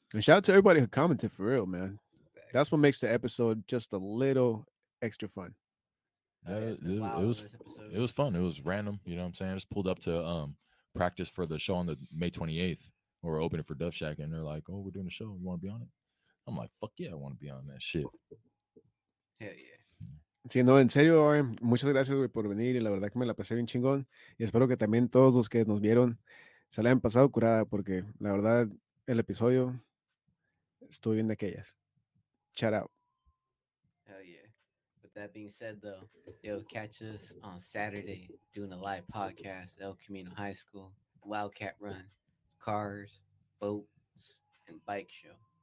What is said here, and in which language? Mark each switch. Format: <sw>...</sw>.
<en>And shout out to everybody who commented for real, man. That's what makes the episode just a little extra fun. It was fun. It was random. You know what I'm saying? I just pulled up to practice for the show on the May 28th. Or opening for Dove Shack. And they're like, oh, we're doing a show. You want to be on it? I'm like, fuck yeah, I want to be on that shit. Hell yeah.</en> <es>Sí, no, en serio, RM, muchas gracias, güey, por venir. Y la verdad que me la pasé bien chingón. Y espero que también todos los que nos vieron se la hayan pasado curada, porque la verdad, el episodio estuvo bien de aquellas.</es> <en>Shout out. Hell yeah. With that being said, though, yo, catch us on Saturday doing a live podcast, El Camino High School, Wildcat Run, Cars, Boats, and Bike Show.</en>